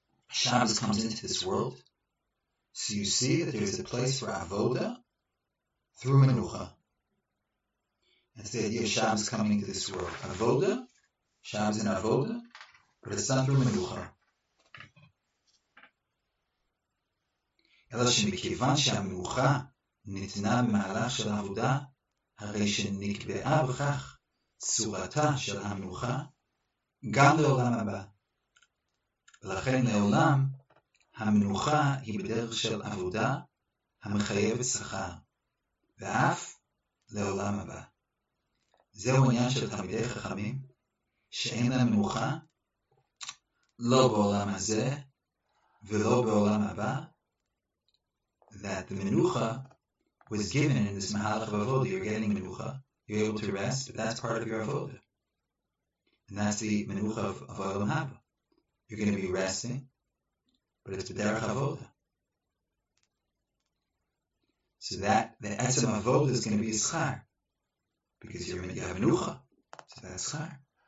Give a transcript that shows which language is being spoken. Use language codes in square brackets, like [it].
[en] Shabbos comes into this world, so you see that there is a place for avoda through menucha. That's the idea of Shabbos coming into this world. Avoda, Shabbos and avoda, but it's not through menucha. [he] אלא שמכיוון שהמנוחה ניתנה במהלך של העבודה, הרי שנקבעה בכך צורתה של המנוחה גם לעולם הבא. ולכן לעולם המנוחה היא בדרך של עבודה המחייבת שכר, ואף לעולם הבא. זהו עניין של תלמידי חכמים, שאין להם מנוחה לא בעולם הזה ולא בעולם הבא, [en] that the menucha was given in this mahalach of avoda. You're getting menucha, you're able to rest, but that's part of your avoda. And that's the menucha of olam haba. You're going to be resting, but it's b'derech avoda. So that the etzem avoda is going to be a schar, because you have menucha, so that's schar.